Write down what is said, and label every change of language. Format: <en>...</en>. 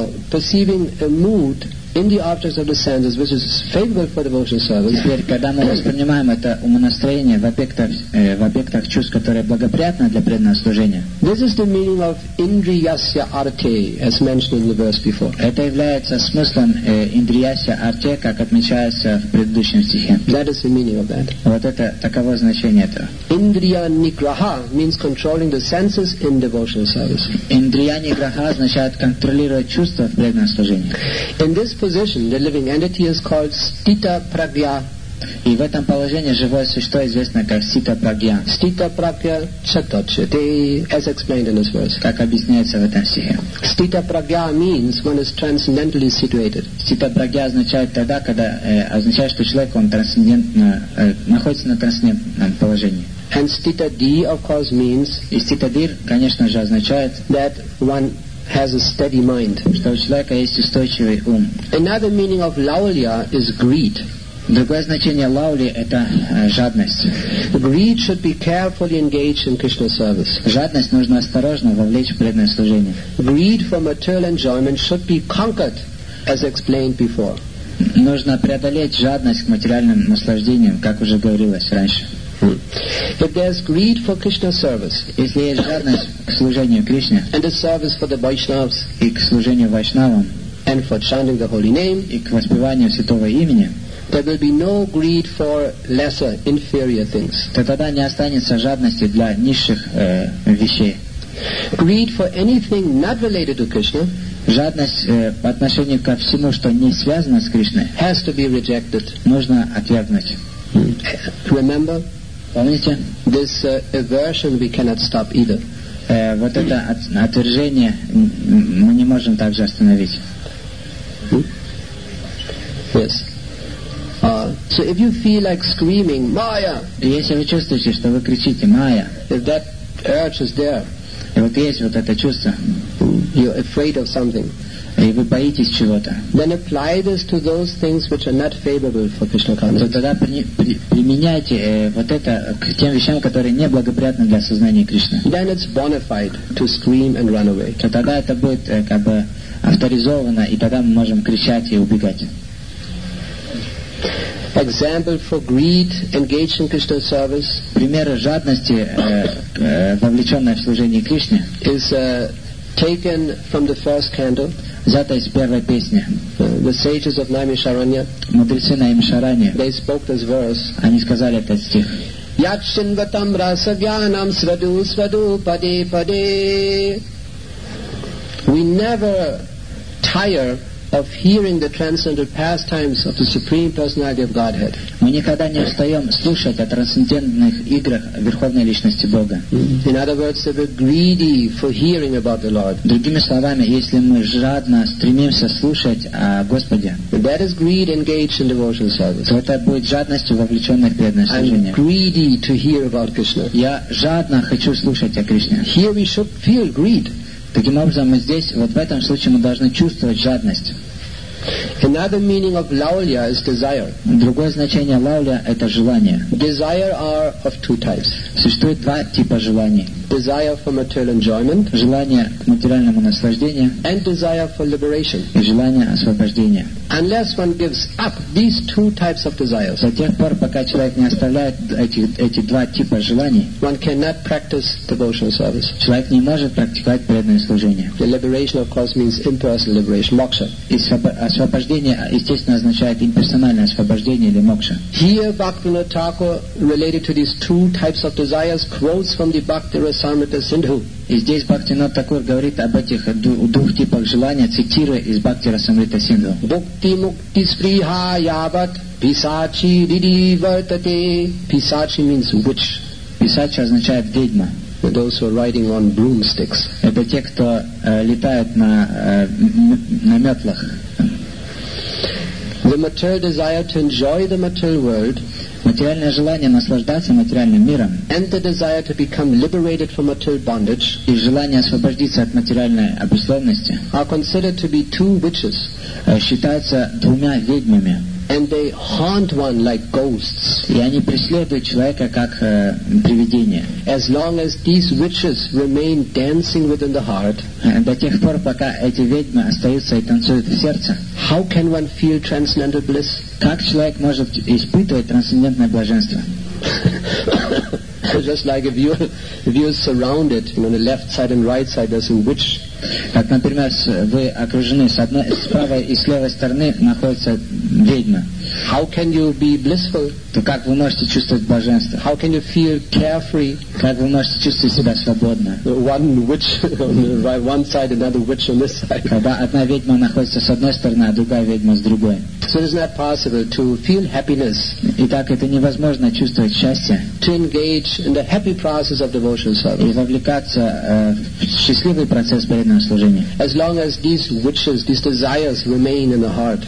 <en>Perceiving a mood in the objects of the senses, which is favorable for devotional service.</en> <ru>Теперь, когда мы воспринимаем это умонастроение в объектах чувств, которые благоприятны для преданного служения.</ru> <en>This is the meaning of indriyasya arte, as mentioned in the verse before.</en> <ru>Это является смыслом индриясья арте, как отмечается в предыдущем стихе.</ru> <en>That is the meaning of that.</en> <ru>Вот это таково значение этого.</ru> <en>Indriya nigraha means controlling the senses in devotional service.</en> <ru>Индрия nigraha означает контролировать чувства в преданном служении.</ru> <en>In this position, the living entity is called sthita pragya.</en> <ru>И в этом положении живое существо известно как sthita pragya.</ru> <en>Sthita pragya chatochete, as explained in this verse.</en> <ru>Как объясняется в этом стихе.</ru> <en>Sthita pragya means one is transcendentally situated.</en> <ru>Sthita pragya означает тогда, когда означает, что человек он трансцендентно находится на трансцендентном положении.</ru> <en>And sthita di, of course, means.</en> <ru>И sthita dir, конечно же, означает</ru> <en>that one has a steady mind.</en> <ru>Что у человека есть устойчивый ум.</ru> <en>Another meaning of laulya is greed.</en> <ru>Другое значение лаули это жадность.</ru> <en>Greed should be carefully engaged in Krishna service.</en> <ru>Жадность нужно осторожно вовлечь в преданное служение.</ru> <en>Greed for material enjoyment should be conquered, as explained before.</en> <ru>Нужно преодолеть жадность к материальным наслаждениям, как уже говорилось раньше.</ru> <en>If there is greed for Krishna service,</en> <ru>если есть жадность к служению Кришне,</ru> <en>and the service for the Vaishnavas,</en> <ru>и к служению Вайшнавам,</ru> <en>and for chanting the holy name,</en> <ru>и к воспеванию святого имени,</ru> <en>there will be no greed for lesser, inferior things.</en> <ru>То тогда не останется жадности для низших вещей.</ru> <en>Greed for anything not related to Krishna,</en> <ru>жадность по отношению ко всему, что не связано с Кришной,</ru> <en>has to be rejected.</en> <ru>Нужно отвергнуть.</ru> <en>Remember,</en> <ru>помните,</ru> <en>this aversion we cannot stop either.</en> <ru>Вот это отвержение мы не можем также остановить.</ru> <en>Yes. So if you feel like screaming, Maya.</en> <ru>Если вы чувствуете, что вы кричите, Maya.</ru> <en>If that urge is there.</en> <ru>И вот есть вот это чувство.</ru> <en>You're afraid of something.</en> <ru>И вы боитесь чего-то.</ru> <en>Then apply this to those things which are not favorable for Krishna consciousness.</en> <ru>Тогда применяйте вот это к тем вещам, которые не благоприятны для сознания Кришны.</ru> <en>Then it's bona fide to scream and run away.</en> <ru>Тогда это будет как бы авторизовано, и тогда мы можем кричать и убегать.</ru> <en>Example for greed engaged in Krishna service.</en> <ru>Примеры жадности, вовлеченной в служение Кришне.</ru> <en>Is taken from the first canto.</en> <ru>Взята из первой песни.</ru> <en>The sages of Naimisharanya.</en> <ru>Мудрецы Наимишаранья.</ru> <en>They spoke this verse.</en> <ru>Они сказали этот стих.</ru> <sa>Yachinvatam rasa gyanam svadu svadu pade pade.</sa> <en>We never tire of hearing the transcendental pastimes of the Supreme Personality of Godhead.</en> <ru>Мы никогда не устаем слушать о трансцендентных играх Верховной Личности Бога.</ru> <en>In other words, if we're greedy for hearing about the Lord.</en> <ru>Другими словами, если мы жадно стремимся слушать о Господе,</ru> <en>that is greed engaged in devotional service.</en> <ru>То это будет жадностью вовлеченной в преданное служение.</ru> <en>I'm greedy to hear about Krishna.</en> <ru>Я жадно хочу слушать о Кришне.</ru> <en>Here we should feel greed.</en> <ru>Таким образом, мы здесь, вот в этом случае, мы должны чувствовать жадность.</ru> <en>Another meaning of laulya is desire.</en> <ru>Другое значение лаулья — это желание.</ru> <en>Desire are of two types.</en> <ru>Существует два типа желаний.</ru> <en>Desire for material enjoyment.</en> <ru>Желание к материальному наслаждению.</ru> <en>And desire for liberation.</en> <ru>И желание освобождения.</ru> <en>Unless one gives up these two types of desires.</en> <ru>До тех пор, пока человек не оставляет эти два типа желаний.</ru> <en>One cannot practice devotional service.</en> <ru>Человек не может практиковать преданное служение.</ru> <en>The liberation, of course, means impersonal liberation, moksha.</en> <ru>Освобождение, естественно, означает имперсональное освобождение или мокша.</ru> <en>Here Bhaktivinoda Thakur, related to these two types of desires, quotes from the Bhaktirasamrita Sindhu.</en> <ru>И здесь Бхактинат Такур говорит об этих двух типах желания, цитируя из Бхактирасамрита Синдху.</ru> <sa>Бхукти мукти сприха яват писачи ридивартате.</sa> <en>Писачи means witch.</en> <ru>Писачи означает ведьма.</ru> <en>Those who are riding on broomsticks.</en> <ru>Это те, кто летает на метлах.</ru> <en>The material desire to enjoy the material world.</en> <ru>Материальное желание наслаждаться материальным миром.</ru> <en>And the desire to become liberated from material bondage.</en> <ru>И желание освободиться от материальной обусловленности.</ru> <en>Are considered to be two witches.</en> <ru>Считаются двумя ведьмами.</ru> <en>And they haunt one like ghosts.</en> <ru>И они преследуют человека как привидение.</ru> <en>As long as these witches remain dancing within the heart.</en> <ru>До тех пор, пока эти ведьмы остаются и танцуют в сердце.</ru> <en>How can one feel transcendental bliss?</en> <ru>Как человек может испытывать трансцендентное блаженство?</ru> <en>Just like if you're surrounded, you know, on the left side and right side, there's a witch.</en> <ru>Как, например, вы окружены с одной, с правой и с левой стороны находится ведьма.</ru> <en>How can you be blissful?</en> <ru>То как вы можете чувствовать блаженство?</ru> <en>How can you feel carefree?</en> <ru>Как вы можете чувствовать себя свободно?</ru> <en>One witch on the right one side, another witch on this side.</en> <ru>Когда одна ведьма находится с одной стороны, а другая ведьма с другой.</ru> <en>So it's not possible to feel happiness.</en> <ru>Итак, это невозможно чувствовать счастье.</ru> <en>To engage in the happy process of devotional service.</en> <ru>И вовлекаться в счастливый процесс преданного служения.</ru> <en>As long as these wishes, these desires remain in the heart.</en>